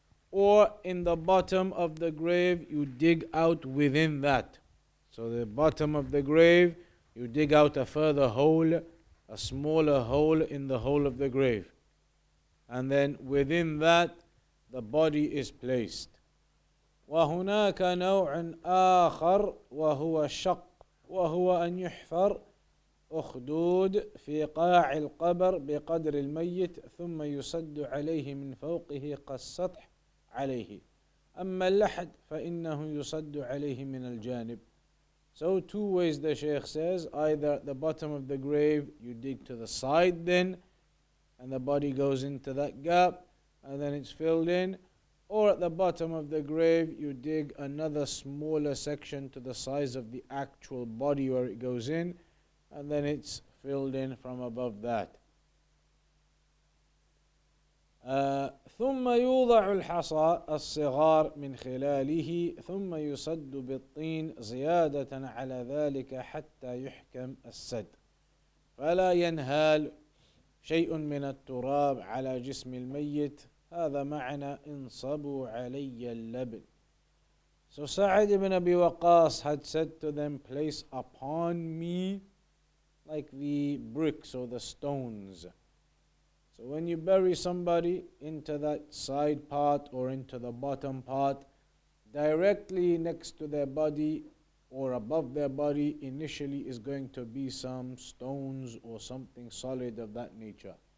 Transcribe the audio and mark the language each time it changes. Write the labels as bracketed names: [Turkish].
[English] Or in the bottom of the grave, you dig out within that. So the bottom of the grave, you dig out a further hole, a smaller hole in the hole of the grave. And then within that, the body is placed. [Arabic] وَهُنَاكَ نَوْعٌ آخَرُ وَهُوَ شَقٌّ وَهُوَ أَنْ يُحْفَرْ أخدود في قاع القبر بقدر الميت ثم يسد عليه من فوقه قَالسَّطْح عليه أما اللحد فإنه يصد عليه من الجانب. [English] So two ways, the Shaykh says, either at the bottom of the grave you dig to the side then and the body goes into that gap and then it's filled in, or at the bottom of the grave you dig another smaller section to the size of the actual body where it goes in and then it's filled in from above that. [Arabic] ثم يوضع الحصى الصغار من خلاله ثم يسد بالطين زيادة على ذلك حتى يحكم السد فلا ينهال شيء من التراب على جسم الميت هذا معنى انصبوا علي اللبن. [English] So Sa'ad ibn Abi Waqqas had said to them, place upon me like the bricks or the stones. So when you bury somebody into that side part or into the bottom part, directly next to their body or above their body, initially is going to be some stones or something solid of that nature.